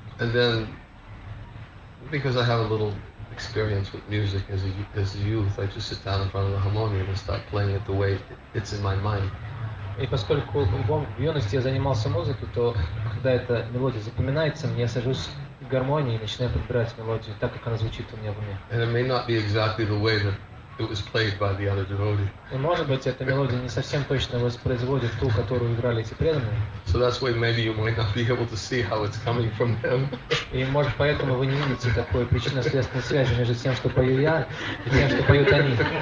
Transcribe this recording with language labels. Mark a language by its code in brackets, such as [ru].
[en] And then, because I have a little experience with music as a youth, I just sit down in front of the harmonium and start playing it the way it's in my mind. [ru] И поскольку в юности я занимался музыкой, то когда эта мелодия запоминается, мне сажусь в гармонии и начинаю подбирать мелодию так, как она звучит у меня в уме. [en] And it may not be exactly the way that it was played by the other devotee. [ru] И может быть эта мелодия не совсем точно воспроизводит ту, которую играли эти преданные. [en] So that's why maybe you might not be able to see how it's coming from them. [ru] И может поэтому вы не видите такой причинно-следственной связи между тем, что пою я, и тем, что поют они.